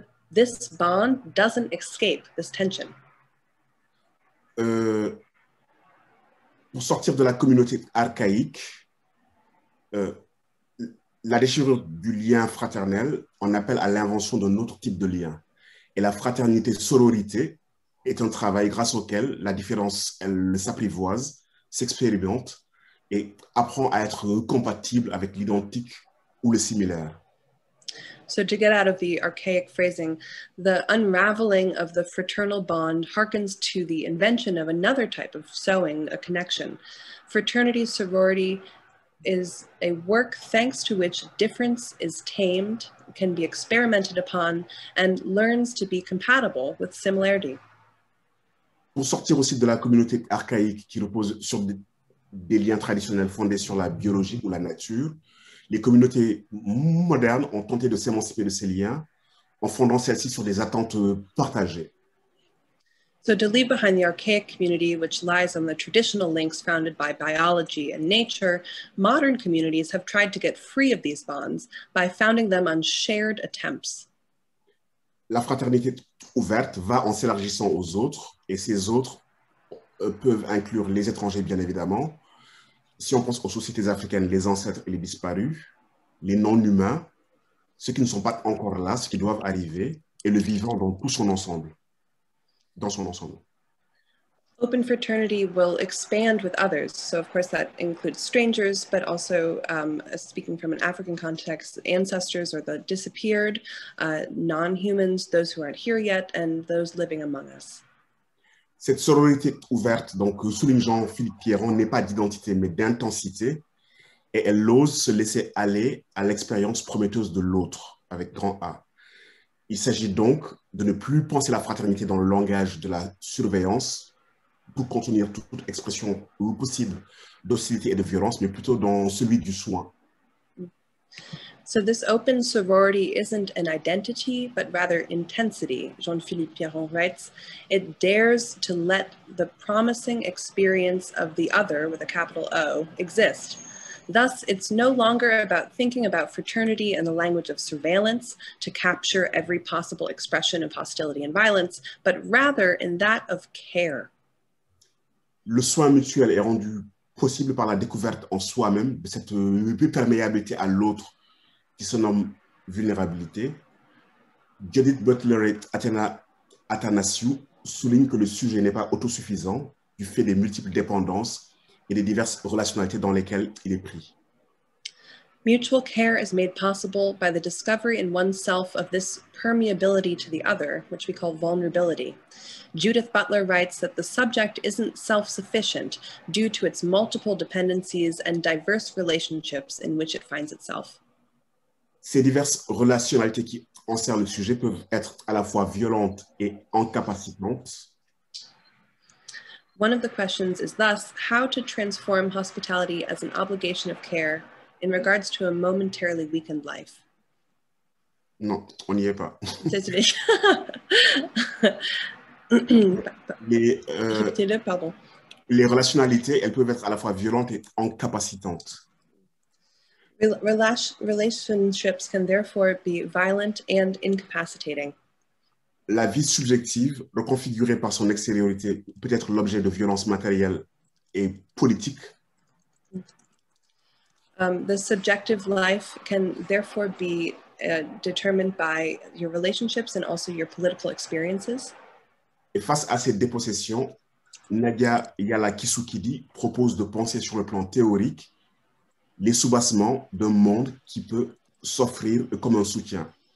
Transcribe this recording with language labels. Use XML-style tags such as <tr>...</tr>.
<en>This bond doesn't escape this tension.</en> <fr>Pour sortir de la communauté archaïque, la déchirure du lien fraternel en appelle à l'invention d'un autre type de lien. Et la fraternité sororité est un travail grâce auquel la différence elle s'apprivoise, s'expérimente et apprend à être compatible avec l'identique ou le similaire.</fr> <en>So to get out of the archaic phrasing, the unraveling of the fraternal bond harkens to the invention of another type of sewing a connection. Fraternity sorority is a work thanks to which difference is tamed, can be experimented upon, and learns to be compatible with similarity.</en> <fr>Pour sortir aussi de la communauté archaïque qui repose sur des liens traditionnels fondés sur la biologie ou la nature, les communautés modernes ont tenté de s'émanciper de ces liens en fondant celles-ci sur des attentes partagées.</fr> <en>So to leave behind the archaic community, which lies on the traditional links founded by biology and nature, modern communities have tried to get free of these bonds by founding them on shared attempts.</en> <fr>La fraternité ouverte va en s'élargissant aux autres, et ces autres peuvent inclure les étrangers, bien évidemment. Si on pense aux sociétés africaines, les ancêtres et les disparus, les non-humains, ceux qui ne sont pas encore là, ceux qui doivent arriver, et le vivant dans tout son ensemble, dans son ensemble.</fr> <en>Open fraternity will expand with others. So of course that includes strangers, but also speaking from an African context, ancestors or the disappeared, non-humans, those who aren't here yet, and those living among us.</en> <fr>Cette sororité ouverte, donc souligne Jean-Philippe Pierron, n'est pas d'identité, mais d'intensité. et elle ose se laisser aller à l'expérience prometteuse de l'autre, avec grand A. Il s'agit donc de ne plus penser la fraternité dans le langage de la surveillance pour contenir toute expression possible d'hostilité et de violence, mais plutôt dans celui du soin.</fr> <en>So this open sorority isn't an identity, but rather intensity, Jean-Philippe Pierron writes. It dares to let the promising experience of the other, with a capital O, exist. Thus, it's no longer about thinking about fraternity in the language of surveillance to capture every possible expression of hostility and violence, but rather in that of care.</en> <fr>Le soin mutuel est rendu possible par la découverte en soi-même de cette perméabilité à l'autre qui se nomme vulnérabilité. Judith Butler et Athanasiou soulignent que le sujet n'est pas autosuffisant du fait des multiples dépendances et des diverses relationnalités dans lesquelles il est pris.</fr> <en>Mutual care is made possible by the discovery in oneself of this permeability to the other, which we call vulnerability. Judith Butler writes that the subject isn't self-sufficient due to its multiple dependencies and diverse relationships in which it finds itself.</en> <fr>Ces diverses relationalités qui encerclent le sujet peuvent être à la fois violentes et incapacitantes.</fr> <en>One of the questions is thus how to transform hospitality as an obligation of care in regards to a momentarily weakened life.</en> <fr>Non, on n'y est pas. Désolé. Répétez-le, pardon. Les relationalités, elles peuvent être à la fois violentes et incapacitantes.</fr> <en>Relationships can therefore be violent and incapacitating.</en> <fr>La vie subjective, reconfigurée par son extériorité, peut être l'objet de violences matérielles et politiques.</fr> <en>The subjective life can therefore be determined by your relationships and also your political experiences.</en> <fr>Et face à ces dépossessions, Nadia Yala Kisukidi propose de penser sur le plan théorique les soubassements d'un monde qui peut s'offrir comme un soutien.</fr>